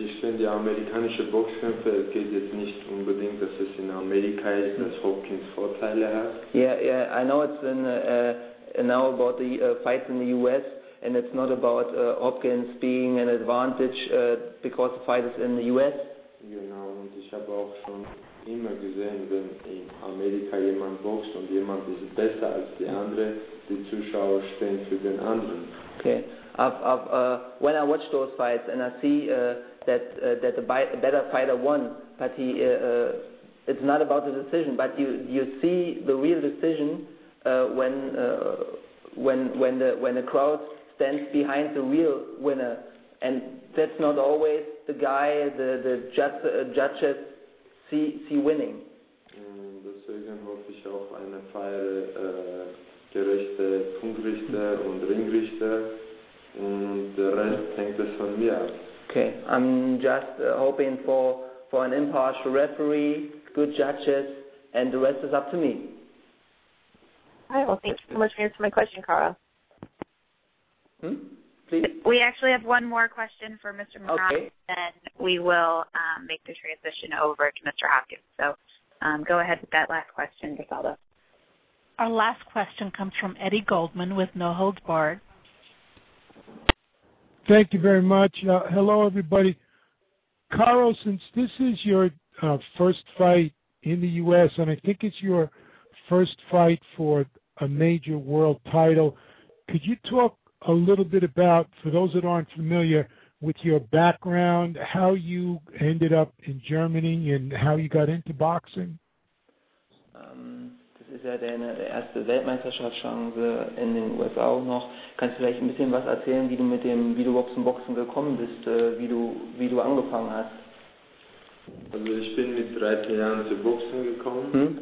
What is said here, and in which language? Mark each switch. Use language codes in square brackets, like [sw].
[de] Ich finde, die amerikanische Boxkämpfe, es geht jetzt nicht unbedingt, dass es in Amerika ist, dass Hopkins Vorteile hat. [en] Yeah, I know it's now about the fights in the U.S., and it's not about Hopkins being an advantage because the fight is in the U.S. [de] Genau, und ich habe auch schon immer gesehen, wenn in Amerika jemand boxt und jemand ist besser als der andere, die Zuschauer stehen für den anderen. [en] Okay. When I watch those fights and I see that the better fighter won, but he it's not about the decision, but you see the real decision when the crowd stands behind the real winner, and that's not always the guy the judges see winning. [de] Deswegen hoffe ich auf eine faire, gerechte Punktrichter und Ringrichter, und der Rest hängt es von mir ab. [en] Okay, I'm just hoping for an impartial referee, good judges, and the rest is up to me. All right, well, thank you so much for answering my question, Carl. Please? We actually have one more question for Mr. Murat, okay. Then we will make the transition over to Mr. Hopkins. So go ahead with that last question, Griselda. Our last question comes from Eddie Goldman with No Holds Barred. Thank you very much. Hello, everybody. Carl, since this is your first fight in the U.S., and I think it's your first fight for a major world title. Could you talk a little bit about, for those that aren't familiar, with your background, how you ended up in Germany and how you got into boxing? [de] Das ist ja deine erste Weltmeisterschaftschance in den USA auch noch. Kannst du vielleicht ein bisschen was erzählen, wie du mit dem Videoboxen gekommen bist, wie du angefangen hast? Also ich bin mit 13 Jahren zu Boxen gekommen.